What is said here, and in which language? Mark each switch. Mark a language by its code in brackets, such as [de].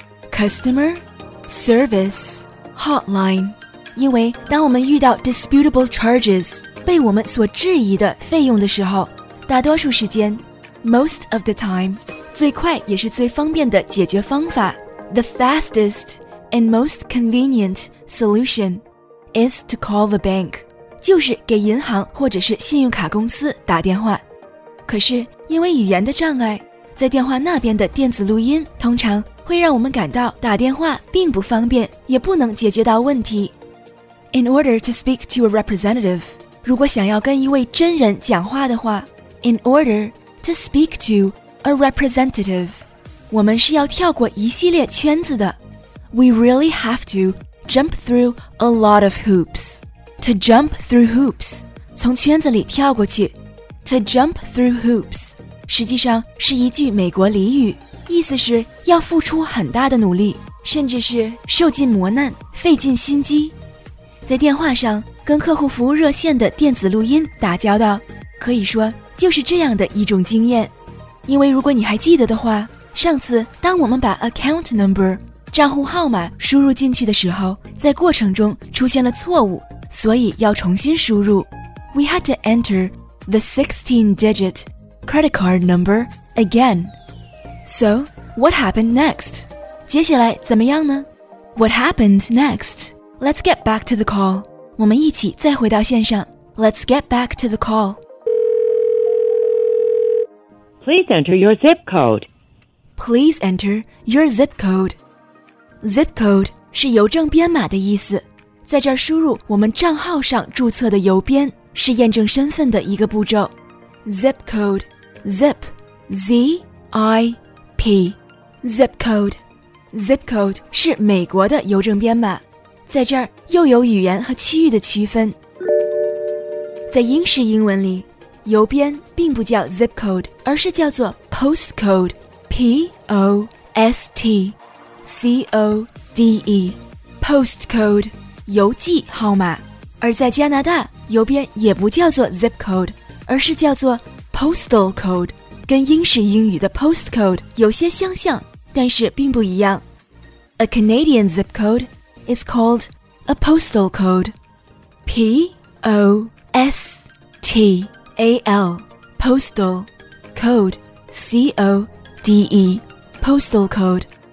[zh] Customer Service Hotline， 因为当我们遇到 disputable charges 被我们所质疑的费用的时候，大多数时间 [en] most of the time [zh] 最快也是最方便的解决方法， [en] the fastest and most convenient solution is to call the bank， [zh] 就是给银行或者是信用卡公司打电话。可是因为语言的障碍，在电话那边的电子录音通常会让我们感到打电话并不方便，也不能解决到问题。 [en] In order to speak to a representative， [zh] 如果想要跟一位真人讲话的话， [en] In order to speak to a representative， [zh] 我们是要跳过一系列圈子的。 [en] We really have to jump through a lot of hoopsTo jump through hoops， [zh] 从圈子里跳过去。 [en] To jump through hoops， [zh] 实际上是一句美国俚语，意思是要付出很大的努力，甚至是受尽磨难，费尽心机。在电话上，跟客户服务热线的电子录音打交道，可以说就是这样的一种经验。因为如果你还记得的话，上次当我们把 account number， 账户号码输入进去的时候，在过程中出现了错误，所以要重新输入。 [en] We had to enter the 16-digit credit card number again. So, what happened next? [zh] 接下来怎么样呢？ [en] What happened next? Let's get back to the call. [zh] 我们一起再回到线上。 [en] Let's get back to the call. Please enter your zip code. Please enter your zip code. [zh] Zip code 是邮政编码的意思，在这儿输入我们账号上注册的邮编，是验证身份的一个步骤。 Zip code， zip， z i p， zip code， zip code 是美国的邮政编码。在这儿又有语言和区域的区分。在英式英文里，邮编并不叫 zip code， 而是叫做 post code， p o s t c o d e， post code。邮寄号码。而在加拿大，邮编也不叫做 zip code， 而是叫做 postal code， 跟英式英语的 postcode 有些相像，但是并不一样。 [en] A Canadian zip code is called a postal code， P-O-S-T-A-L postal code， C-O-D-E postal code。